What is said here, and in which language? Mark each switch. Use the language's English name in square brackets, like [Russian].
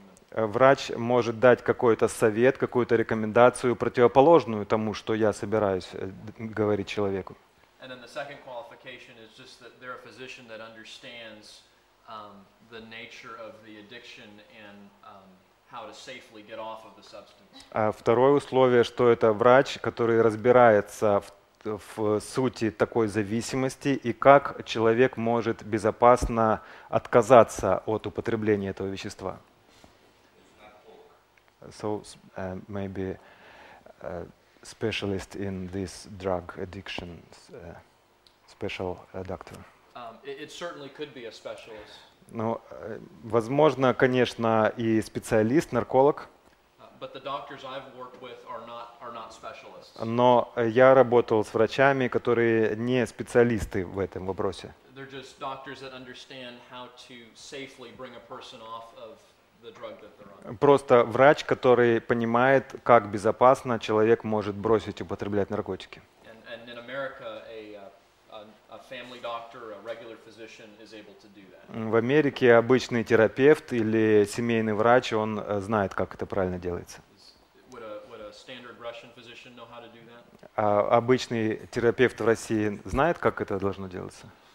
[Russian] Врач может дать какой-то совет, какую-то рекомендацию, противоположную тому, что я собираюсь говорить человеку. [English] And then the second qualification is just that they're a physician that understands the nature of the addiction and how to safely get off of the substance. [Russian] А второе условие, что это врач, который разбирается в сути такой зависимости и как человек может безопасно отказаться от употребления этого вещества. [English] So maybe a specialist in this drug addiction, special doctor. It certainly could be a specialist. [Russian] Ну, возможно, конечно, и специалист, нарколог. [English] But the doctors I've worked with are not specialists. [Russian] Но я работал с врачами, которые не специалисты в этом вопросе. [English] They're just doctors that understand how to safely bring a person off of the drug that they're on. [Russian] Просто врач, который понимает, как безопасно человек может бросить употреблять наркотики. [English] And in America, a family doctor, a regular physician is able to do that. [Russian] В Америке обычный терапевт или семейный врач, он знает, как это правильно делается. [English] Would a standard Russian physician know how to do that? [Russian] А обычный терапевт в России знает, как это должно делаться?